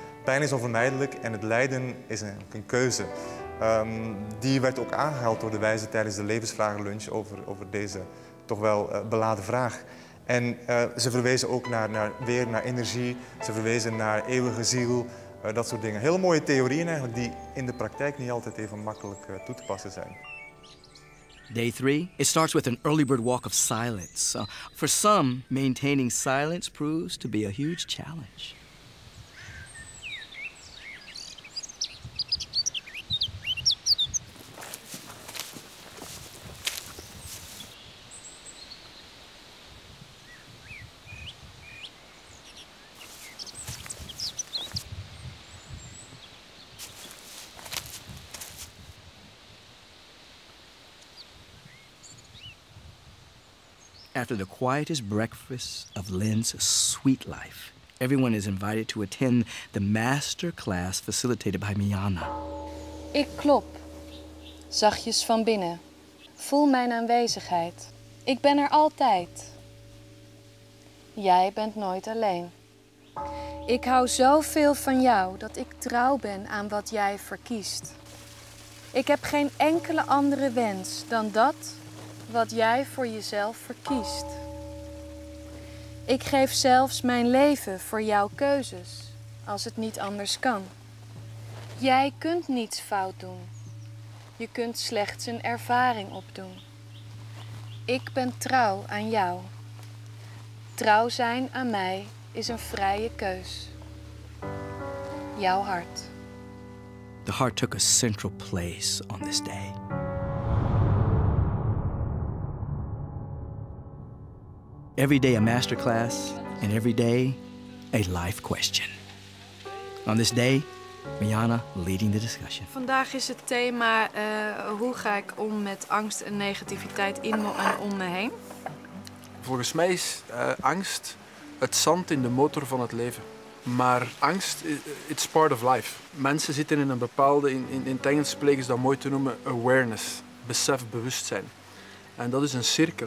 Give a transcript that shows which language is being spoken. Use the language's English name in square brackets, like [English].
[Dutch] Pijn is onvermijdelijk en het lijden is een keuze. Die werd ook aangehaald door de wijze tijdens de levensvragenlunch over deze toch wel beladen vraag. En ze verwezen ook naar energie, ze verwezen naar eeuwige ziel, dat soort dingen. Heel mooie theorieën eigenlijk die in de praktijk niet altijd even makkelijk toe te passen zijn. [English] Day 3, it starts with an early bird walk of silence. For some, maintaining silence proves to be a huge challenge. After the quietest breakfast of Lin's sweet life, everyone is invited to attend the master class facilitated by Miana. [Dutch] Ik klop, zachtjes van binnen. Voel mijn aanwezigheid. Ik ben er altijd. Jij bent nooit alleen. Ik hou zoveel van jou dat ik trouw ben aan wat jij verkiest. Ik heb geen enkele andere wens dan dat wat jij voor jezelf verkiest. Ik geef zelfs mijn leven voor jouw keuzes, als het niet anders kan. Jij kunt niets fout doen. Je kunt slechts een ervaring opdoen. Ik ben trouw aan jou. Trouw zijn aan mij is een vrije keus. Jouw hart. [English] The heart took a central place on this day. Every day a masterclass, and every day a life question. On this day, Miana leading the discussion. [Dutch] Vandaag is het thema hoe ga ik om met angst en negativiteit in me en om me heen? Volgens mij is angst het zand in de motor van het leven. Maar angst, [English] it's part of life. [Dutch] Mensen zitten in een bepaalde, in het Engels spreken ze dat mooi te noemen, awareness, besef, bewustzijn. En dat is een cirkel.